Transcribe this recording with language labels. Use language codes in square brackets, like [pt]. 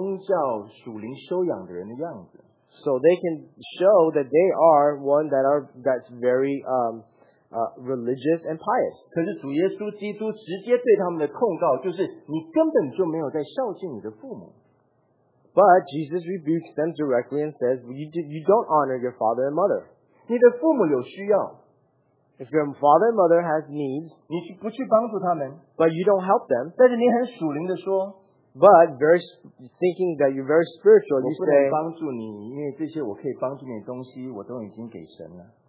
[zh] 能够成为一个懂神的话,呈现出来很有宗教属灵修养的人的样子。 [en] So they can show that they are one that are that's very religious and pious. [zh] 可是主耶稣基督直接对他们的控告就是你根本就没有在孝敬你的父母。 [en] But Jesus rebukes them directly and says, you don't honor your father and mother. [zh] 你的父母有需要。 [en] If your father and mother has needs, [zh] 你不去帮助他们, [en] but you don't help them, [zh] 但是你很属灵地说, [en] but very, thinking that you're very spiritual, you say, [zh] 我不能帮助你,因为这些我可以帮助你的东西,我都已经给神了。